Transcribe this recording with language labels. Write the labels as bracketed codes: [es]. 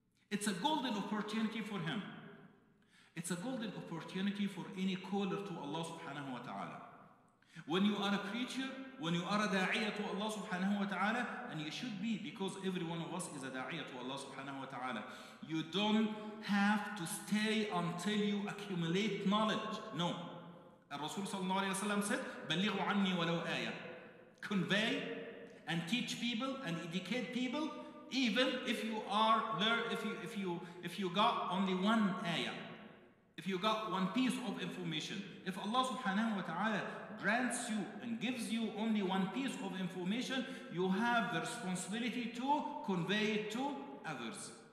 [en] It's a golden opportunity for him. It's a golden opportunity for any caller to Allah subhanahu wa ta'ala. When you are a preacher, when you are a da'iyah to Allah subhanahu wa ta'ala, and you should be, because every one of us is a da'iyah to Allah subhanahu wa ta'ala, you don't have to stay until you accumulate knowledge. No, [ar] الرسول صلى الله عليه وسلم [en] said, [ar] بلغوا عني ولو آية. [en] Convey and teach people and educate people, even if you are there, if you got only one ayah, if you got one piece of information. If Allah subhanahu wa ta'ala grants you and gives you only one piece of information, you have the responsibility to convey it to others.